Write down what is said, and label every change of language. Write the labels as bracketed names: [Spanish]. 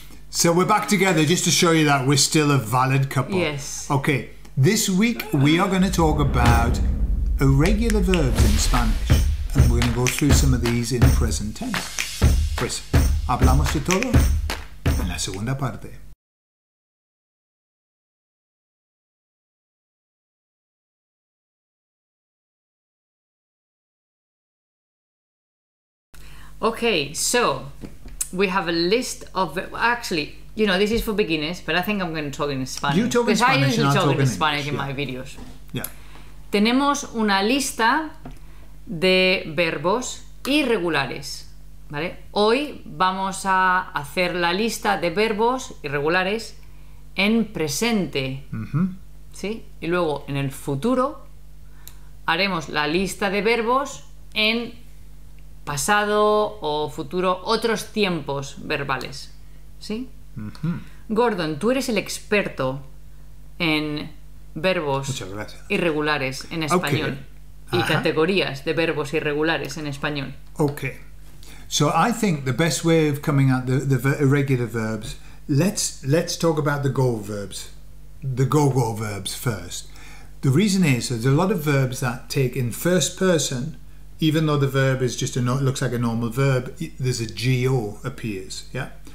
[English] So we're back together just to show you that we're still a valid couple. Yes. Okay, this week we are going to talk about irregular verbs in Spanish. And we're going to go through some of these in present tense. [Spanish] Pues, hablamos de todo en la segunda parte. [English] Okay, so we have a list of, actually, you know, this is for beginners, but I think I'm going to talk in Spanish. You talk in Spanish. I usually talk in Spanish in my videos. Yeah. [Spanish] Tenemos una lista de verbos irregulares, ¿vale? Hoy vamos a hacer la lista de verbos irregulares en presente, ¿sí? Y luego en el futuro haremos la lista de verbos en pasado o futuro, otros tiempos verbales, ¿sí? Gordon, tú eres el experto en verbos irregulares en español. [English] Okay. [Spanish] Y categorías de verbos irregulares en español. [English] Okay. So I think the best way of coming at the irregular verbs, let's talk about the go verbs, the go-go verbs first. The reason is there's a lot of verbs that take in first person. Even though the verb is just looks like a normal verb, there's a G-O appears, yeah?